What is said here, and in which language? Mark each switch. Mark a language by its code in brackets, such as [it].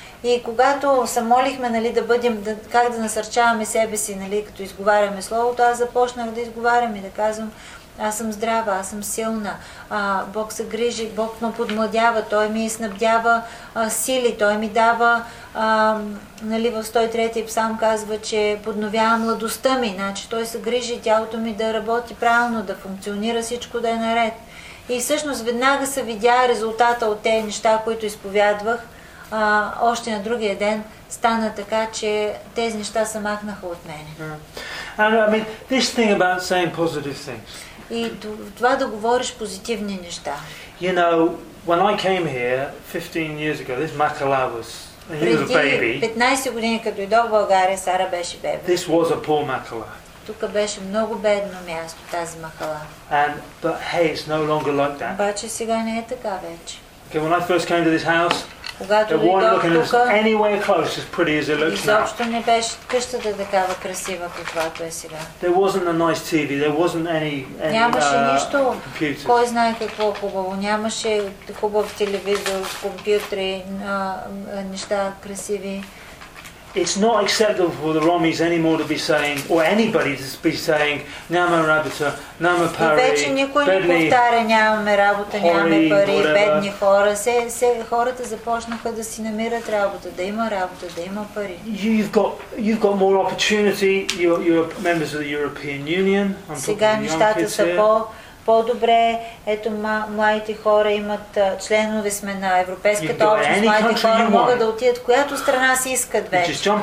[bg] И когато се молихме, нали, да бъдем, как да насърчаваме себе си, нали, като изговаряме словото, аз започнах да изговарям и да казвам, аз съм здрава, аз съм силна, Бог се грижи, Бог ме подмладява, Той ми снабдява сили, Той ми дава, нали, в 103-ти псалм казва, че подновява младостта ми, значи Той се грижи тялото ми да работи правилно, да функционира, всичко да е наред. И всъщност веднага се видя резултата от тези неща, които изповядвах, още на другия ден стана така, че тези неща се махнаха от мене. [en] And, I mean, this thing about saying positive things. [bg] И това да говориш позитивни неща. [en] You know, when I came here 15 years ago, this Makala was, he was a baby. [bg] 15 години, като дойдох в България, Сара беше бебе. [en] This was a poor Makala. [bg] Тук беше много бедно място, тази Makala. [en] And, but hey, it's no longer like that. [bg] Обаче сега не е така вече. [en] Okay, when I first came to this house, [bg] когато дойдох тук, [en] anywhere close as pretty as it looks now. [bg] Изобщо не беше къщата такава красива, каквато е сега. [en] There wasn't a nice TV, there wasn't any [bg] нямаше нищо. Кой знае какво хубаво. Нямаше хубав телевизор, компютри, неща красиви. [en] It's not acceptable for the Romis anymore to be saying, or anybody to be saying, [bg] "Няма работа, няма пари." Вече никой не повтаря, нямаме работа, нямаме пари, бедни хора. Се хората започнаха да си намират работа, да има работа, да има пари. [en] You've got more opportunity. You're members of the European Union. [bg] Сега нещата са по-добре. Ето, младите хора имат членове сме на Европейската общност. Младите хора могат да отидат в която страна си искат вече.